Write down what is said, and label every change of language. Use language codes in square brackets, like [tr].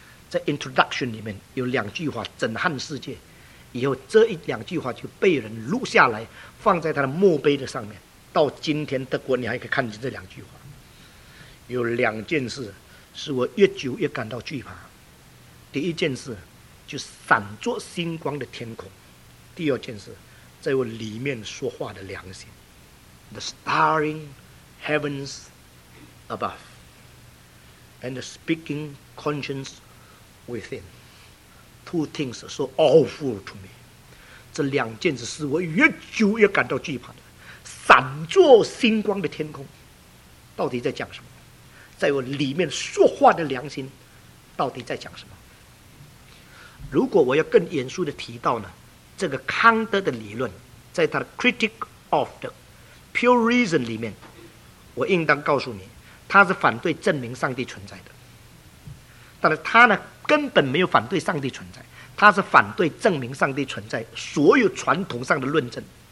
[zh] 在 introduction 里面有两句话震撼世界，以后这一两句话就被人录下来放在他的墓碑的上面，到今天德国你还可以看见这两句话。有两件事是我越久越感到惧怕，第一件事就闪着星光的天空，第二件事在我里面说话的良心。 [en] The starring heavens above and the speaking consciencewithin， two things are so awful to me。 [zh] 这两件事是我越久越感到惧怕的，闪着星光的天空到底在讲什么，在我里面说话的良心到底在讲什么。如果我要更严肃地提到呢，这个康德的理论在他的 Critic of the Pure Reason 里面，我应当告诉你他是反对证明上帝存在的，但是他呢根本没有反对上帝存在，他是反对证明上帝存在所有传统上的论证。